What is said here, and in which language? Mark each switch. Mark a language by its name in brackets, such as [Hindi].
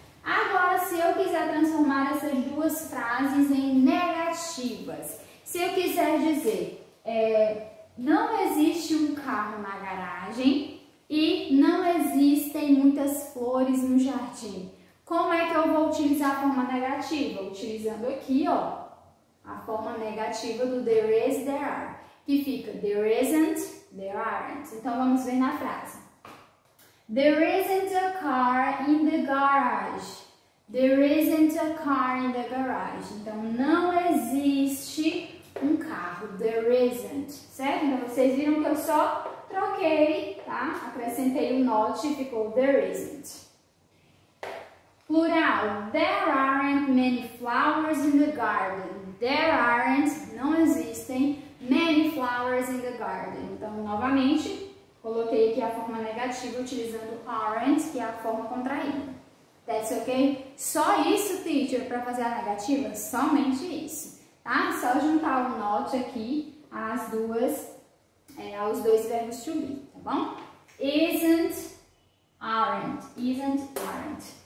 [Portuguese] Agora, se eu quiser transformar essas duas frases em negativas, se eu quiser dizer, não existe um carro na garagem e não existem muitas flores no jardim, como é que eu vou utilizar a forma negativa? Utilizando aqui, ó, a forma negativa do there is, there are, que fica there isn't, there aren't. Então, vamos ver na frase. [English] There isn't a car in the garage. There isn't a car in the garage. [Portuguese] Então, não existe um carro. [English] There isn't. [Portuguese] Certo? Então, vocês viram que eu só troquei, tá? Acrescentei o not e ficou there isn't. Plural. [English] There aren't many flowers in the garden. There aren't. [Portuguese] Não existem. [English] Many flowers in the garden. [Portuguese] Então, novamente, coloquei aqui a forma negativa utilizando aren't, que é a forma contraída. [English] That's okay? [Portuguese] Só isso, teacher, para fazer a negativa? Somente isso, tá? Só juntar o not aqui às duas, aos dois verbos to be, tá bom? [English] Isn't, aren't. Isn't, aren't.